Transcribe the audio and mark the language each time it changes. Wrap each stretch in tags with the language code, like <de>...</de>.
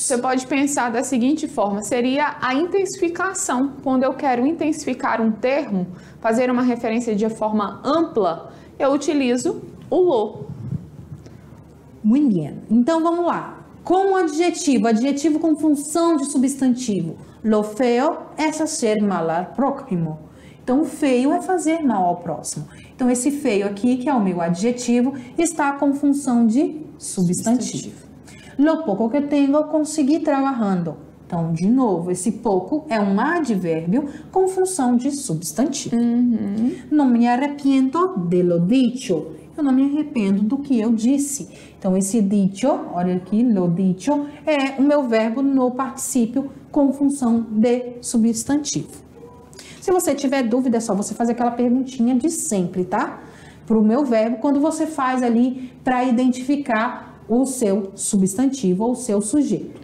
<pt>Você pode pensar da seguinte forma, seria a intensificação. Quando eu quero intensificar um termo, fazer uma referência de forma ampla, eu utilizo o lo. Muito bem. Então, vamos lá. Como adjetivo, adjetivo com função de substantivo.</pt> <es>Lo feo es hacer mal al próximo.</es> <pt>Então, feio é fazer mal ao próximo. Então, esse feio aqui, que é o meu adjetivo, está com função de substantivo.</pt> <es>Lo poco que tengo, consegui trabajando.</es> <pt>Então, de novo, esse pouco é um advérbio com função de substantivo. Uhum.</pt> <es>No me arrepiento de lo dicho.</es> <pt>Eu não me arrependo do que eu disse. Então, esse dicho, olha aqui, lo dicho, é o meu verbo no particípio com função de substantivo. Se você tiver dúvida, é só você fazer aquela perguntinha de sempre, tá? Para o meu verbo, quando você faz ali para identificar o seu substantivo ou o seu sujeito.</pt>